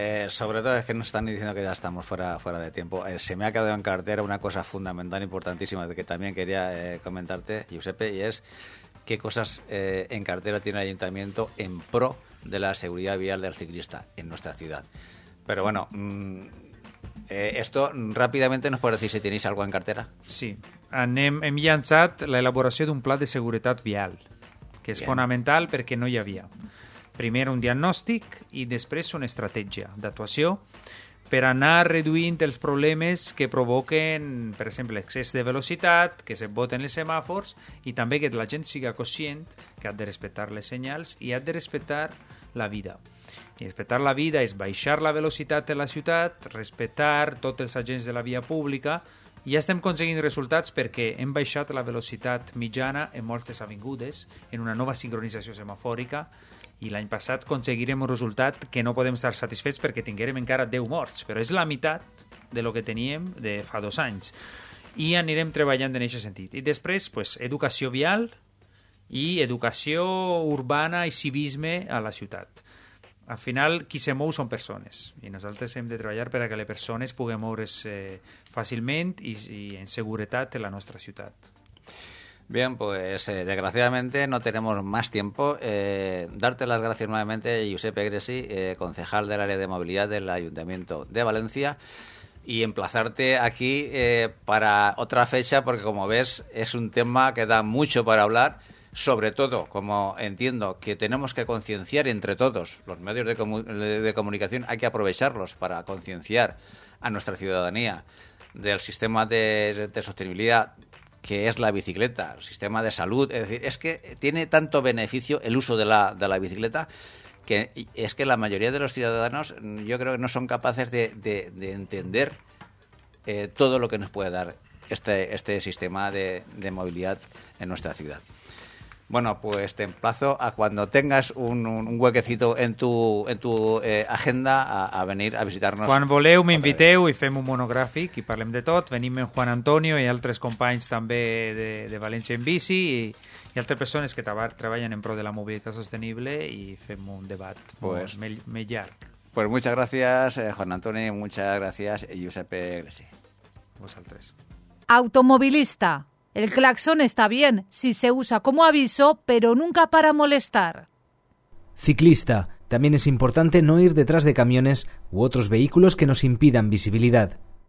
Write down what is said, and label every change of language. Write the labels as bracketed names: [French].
[Spanish] Sobre todo es que nos están diciendo que ya estamos fuera de tiempo. Se me ha quedado en cartera una cosa fundamental, importantísima, que también quería comentarte, Giuseppe, y es qué cosas en cartera tiene el ayuntamiento en pro de la seguridad vial del ciclista en nuestra ciudad. Pero bueno, esto rápidamente nos puede decir si tenéis algo en cartera. Sí. [Catalan] Hem llançat [Spanish] la elaboración de un plan de seguridad vial. [Catalan] Que és fonamental perquè no hi havia. Primer un diagnòstic i després una estratègia d'actuació per anar reduint els problemes que provoquen, per exemple, excés de velocitat, que se boten els semàfors i també que la gent siga conscient que ha de respectar les senyals i ha de respectar la vida. I respectar la vida és baixar la velocitat de la ciutat, respectar tots els agents de la via pública. Ja estem aconseguint resultats perquè hem baixat la velocitat mitjana en moltes avingudes, en una nova sincronització semafòrica, i l'any passat aconseguirem un resultat que no podem estar satisfets perquè tinguérem encara 10 morts, però és la meitat de lo que teníem de fa 2 anys. I anirem treballant en aquest sentit. I després, pues, educació vial i educació urbana i civisme a la ciutat. Al final, qui se mou són persones i nosaltres hem de treballar perquè les persones puguem moure's fàcilment i en seguretat en la nostra ciutat. [Spanish] Bien, pues desgraciadamente no tenemos más tiempo. Darte las gracias nuevamente, Giuseppe Gresi, concejal del área de movilidad del Ayuntamiento de Valencia. y emplazarte aquí para otra fecha, porque como ves es un tema que da mucho para hablar, sobre todo, como entiendo, que tenemos que concienciar entre todos, los medios de comunicación hay que aprovecharlos para concienciar a nuestra ciudadanía del sistema de sostenibilidad que es la bicicleta, el sistema de salud. Es decir, es que tiene tanto beneficio el uso de la bicicleta que es que la mayoría de los ciudadanos yo creo que no son capaces de entender todo lo que nos puede dar este sistema de movilidad en nuestra ciudad. Bueno, pues te emplazo a cuando tengas un huequecito en tu agenda a venir a visitarnos. [Catalan] Quan voleu, m'inviteu i fem un monogràfic i parlem de tot. Venim amb Juan Antonio i altres companys també de València en Bici i altres persones que treballen en pro de la mobilitat sostenible i fem un debat pues, més llarg. [Spanish] Pues muchas gracias, Juan Antonio, muchas gracias, Giuseppe Gressi. [Catalan] Vosaltres. [Spanish] Automobilista. El claxon está bien si se usa como aviso, pero nunca para molestar. Ciclista, también es importante no ir detrás de camiones u otros vehículos que nos impidan visibilidad.